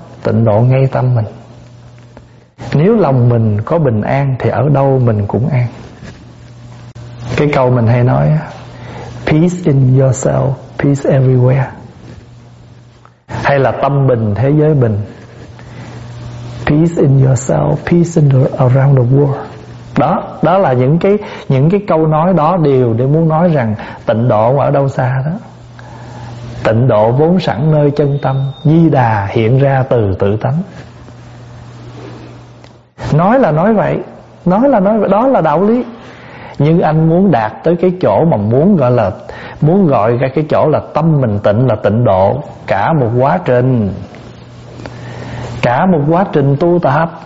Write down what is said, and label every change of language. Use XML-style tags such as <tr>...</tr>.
<vi>Tịnh độ ngay tâm mình. Nếu lòng mình có bình an thì ở đâu mình cũng an. Cái câu mình hay nói:</vi> <en>Peace in yourself, peace everywhere.</en> <vi>Hay là tâm bình thế giới bình.</vi> <en>Peace in yourself, peace in around the world.</en> <vi>Đó, đó là những cái câu nói đó đều để muốn nói rằng tịnh độ ở đâu xa đó. Tịnh độ vốn sẵn nơi chân tâm, Di Đà hiện ra từ tự tánh. Nói là nói vậy, đó là đạo lý. Nhưng anh muốn đạt tới cái chỗ mà muốn gọi là, muốn gọi ra cái chỗ là tâm mình tịnh là tịnh độ, cả một quá trình, cả một quá trình tu tập.</vi>